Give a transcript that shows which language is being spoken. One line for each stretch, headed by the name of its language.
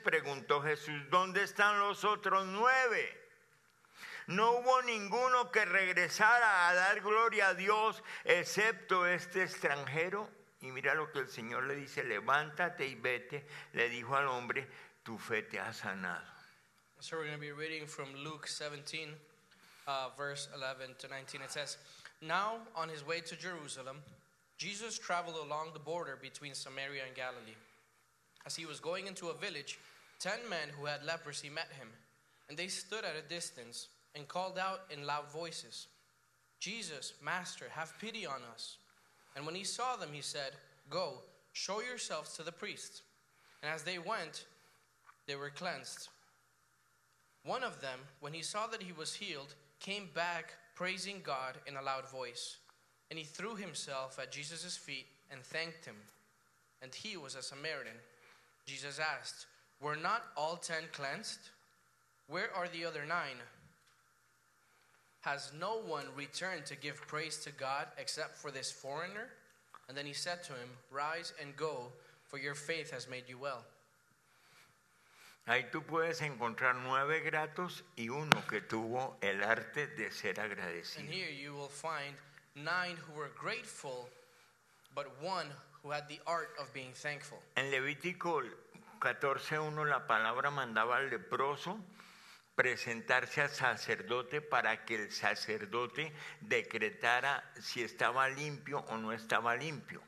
Spanish: Preguntó Jesús. ¿Dónde están los otros 9? No hubo ninguno que regresara a dar gloria a Dios, excepto este extranjero. Y mira lo que el Señor le dice: levántate y vete. Le dijo al hombre: tu fe te ha sanado.
English: So we're going to be reading from Luke 17, verse 11 to 19. It says, now on his way to Jerusalem, Jesus traveled along the border between Samaria and Galilee. As he was going into a village, 10 men who had leprosy met him, and they stood at a distance and called out in loud voices, Jesus, Master, have pity on us. And when he saw them, he said, go, show yourselves to the priests. And as they went, they were cleansed. One of them, when he saw that he was healed, came back praising God in a loud voice. And he threw himself at Jesus' feet and thanked him. And he was a Samaritan. Jesus asked, were not all 10 cleansed? Where are the other 9? Has no one returned to give praise to God except for this foreigner? And then he said to him, rise and go, for your faith has made you well.
Spanish: Ahí tú puedes encontrar 9 gratos y uno que tuvo el arte de ser agradecido.
English: And here you will find 9 who were grateful, but 1 who had the art of being thankful.
Spanish: En Levítico 14:1, la palabra mandaba al leproso presentarse al sacerdote para que el sacerdote decretara si estaba limpio o no estaba limpio.